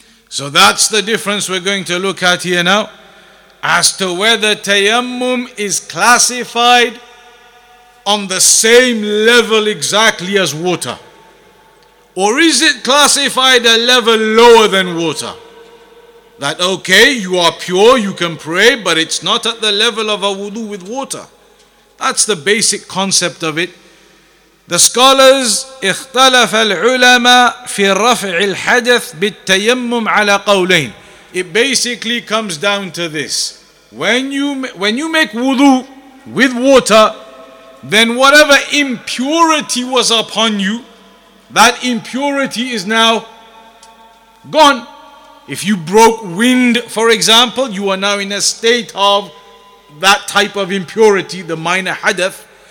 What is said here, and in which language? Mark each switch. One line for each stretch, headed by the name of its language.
English: So that's the difference we're going to look at here now, as to whether tayammum is classified on the same level exactly as water, or is it classified a level lower than water? That okay, you are pure, you can pray, but it's not at the level of a wudu with water. That's the basic concept of it. The scholars
Arabic: اختلف العلماء في رفع الحدث بالتيمم على قولين.
English: It basically comes down to this: when you make wudu with water, then whatever impurity was upon you, that impurity is now gone. If you broke wind, for example, you are now in a state of that type of impurity, the minor hadath.